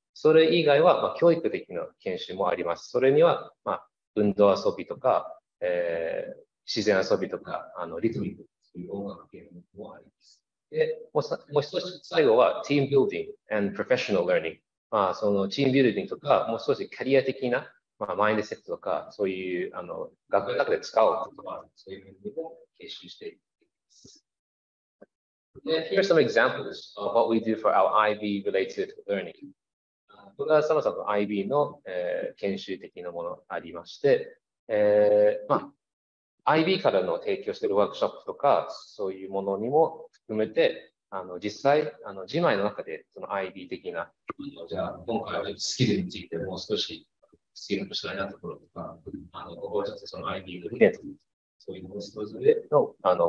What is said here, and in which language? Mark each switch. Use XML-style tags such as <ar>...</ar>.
<ja>それ以外は、まあ、教育的な研修もあります。それには、まあ、運動遊びとか、自然遊びとか、リトミックという音楽系もあります。で、もう少し最後は、チームビルディング</ja> <en>and professional learning。</en> <ja>まあ、そのチームビルディングとか、もう少しキャリア的な、まあ、マインドセットとか、そういう、学校の中で使おうとか、そういうふうにも結集しています。</ja> <en>で、here are some examples of what we do for our IB-related learning。</en> <ja>これはさまざまな IB の、研修的なものありまして、まあ、IB からの提供しているワークショップとか、そういうものにも含めて、実際、自前の中で、その IB 的な。じゃあ、今回はスキルについて、もう少しスキルの違いなところとか、ここはちょっとその IB の理念とか、そういうものそれぞれの、</ja>